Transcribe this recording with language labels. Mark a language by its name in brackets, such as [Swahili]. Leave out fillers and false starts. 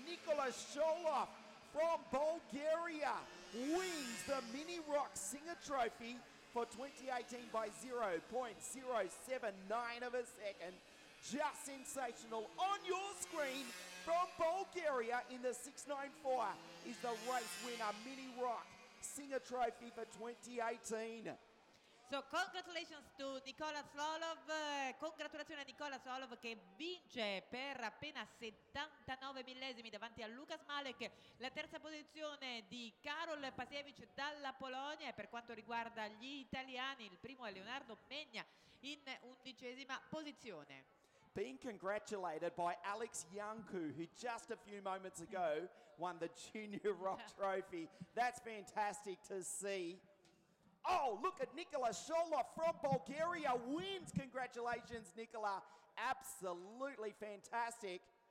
[English] Nikola Tsolov from Bulgaria wins the Mini Rock Singha Trophy for 2018 by 0.079 of a second. Just sensational. On your screen from Bulgaria in the 694 is the race winner, Mini Rock Singha Trophy for 2018. So congratulations to Nikola Tsolov, [Italian] congratulazioni a Nikola Tsolov che vince per appena 79 millesimi davanti a Lucas Mullick la terza posizione di Karol Pasievich dalla Polonia. E per quanto riguarda gli italiani, il primo è Leonardo Megna in 11ª posizione. [English] Being congratulated by Alex Yanku, who just a few moments ago won the Junior Rock Trophy. That's fantastic to see. Oh, look at Nikola Tsolov from Bulgaria wins. Congratulations, Nikola. Absolutely fantastic.